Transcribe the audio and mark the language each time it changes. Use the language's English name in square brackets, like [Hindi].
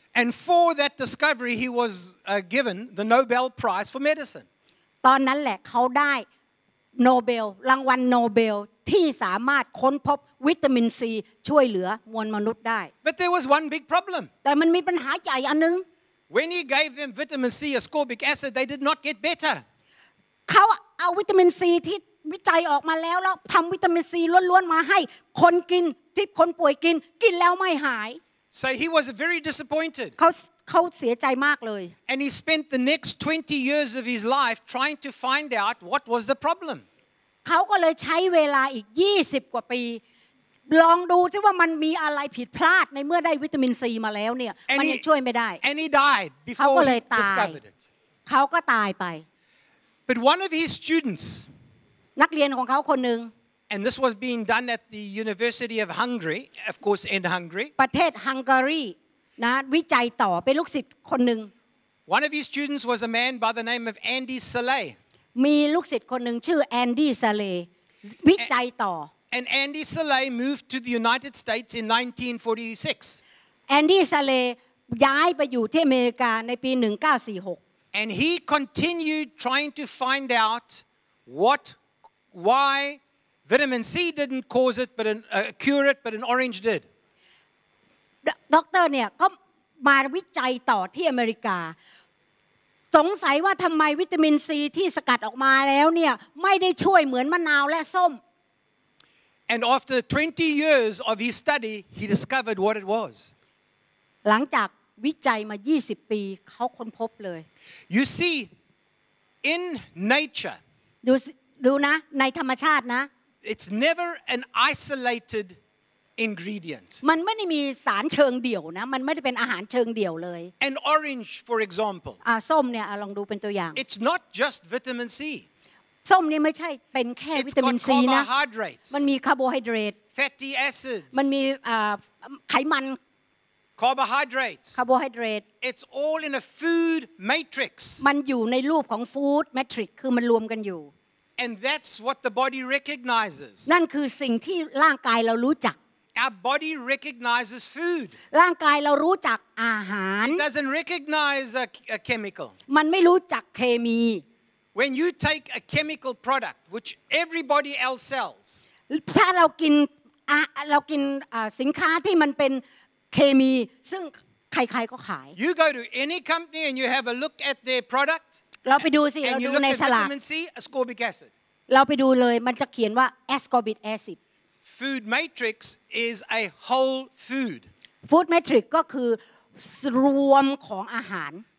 [English] And for that discovery he was given the Nobel Prize for medicine [Thai] ตอนนั้นแหละเขาได้โนเบลรางวัลโนเบลที่สามารถค้นพบวิตามินซีช่วยเหลือมวลมนุษย์ได้ [English] But there was one big problem [Thai] แต่มันมีปัญหาใหญ่อันนึง [English] When he gave them vitamin C ascorbic acid they did not get better [Thai] เขาเอาวิตามินซีที่วิจัยออกมาแล้วแล้วทำวิตามินซีล้วนๆมาให้คนกินที่คนป่วยกินกินแล้วไม่หาย [English] So he was very disappointed [Thai] เขาเสียใจมากเลย [English] And he spent the next 20 years of his life trying to find out what was the problem [Thai] เขาก็เลยใช้เวลาอีก20กว่าปีลองดูซิว่ามันมีอะไรผิดพลาดในเมื่อได้วิตามินซีมาแล้วเนี่ยมันช่วยไม่ได้ [English] And he died before he discovered it [Thai] เขาก็ตายไป [English] But one of his students [Thai] นักเรียนของเขาคนนึง [English] And this was being done at the University of Hungary of course in Hungary [Thai] ประเทศฮังการีนะวิจัยต่อเป็นลูกศิษย์คนนึง [English] One of his students was a man by the name of Andy Salay [Thai] มีลูกศิษย์คนนึงชื่อ Andy Salay วิจัยต่อ [English] And Andy Salay moved to the United States in 1946 [Thai] Andy Salay ย้ายไปอยู่ที่อเมริกาในปี1946 [English] And he continued trying to find out whatWhy vitamin C didn't cause it, but cure it, but an orange did. [Thai] Doctor, เนี่ยก็มาวิจัยต่อที่อเมริกาสงสัยว่าทำไมวิตามินซีที่สกัดออกมาแล้วเนี่ยไม่ได้ช่วยเหมือนมะนาวและส้ม [English] And after 20 years of his study, he discovered what it was. [Thai] หลังจากวิจัยมา20ปีเขาค้นพบเลย [English] You see, in nature. [Thai] ดูนะในธรรมชาตินะ [English] It's never an isolated ingredient [Thai] มันไม่ได้มีสารเชิงเดี่ยวนะมันไม่ได้เป็นอาหารเชิงเดี่ยวเลย [English] An orange for example [Thai] ส้มเนี่ยลองดูเป็นตัวอย่าง [English] It's not just vitamin C [Thai] ส้มนี่ไม่ใช่เป็นแค่วิตามินซีนะมันมีคาร์โบไฮเดรต [English] fatty acids [Thai] มันมีไขมัน [English] carbohydrates [Thai] คาร์โบไฮเดรต [English] It's all in a food matrix [Thai] มันอยู่ในรูปของฟู้ดแมทริกซ์คือมันรวมกันอยู่ [English] And that's what the body recognizes. [Thai] นั่นคือสิ่งที่ร่างกายเรารู้จัก [English] Our body recognizes food. [Thai] ร่างกายเรารู้จักอาหาร [English] It doesn't recognize a chemical. [Thai] มันไม่รู้จักเคมี [English] When you take a chemical product, which everybody else sells. [Thai] ถ้าเรากินสินค้าที่มันเป็นเคมีซึ่งใครๆก็ขาย [English] You go to any company and you have a look at their product. [Thai] เราไปดูสิเราดูในฉลาก [English] Vitamin C, ascorbic acid. [Thai] เราไปดูเลยมันจะเขียนว่า ascorbic acid [English] food matrix is a whole food [Thai] food matrix ก็คือรวมของอาหาร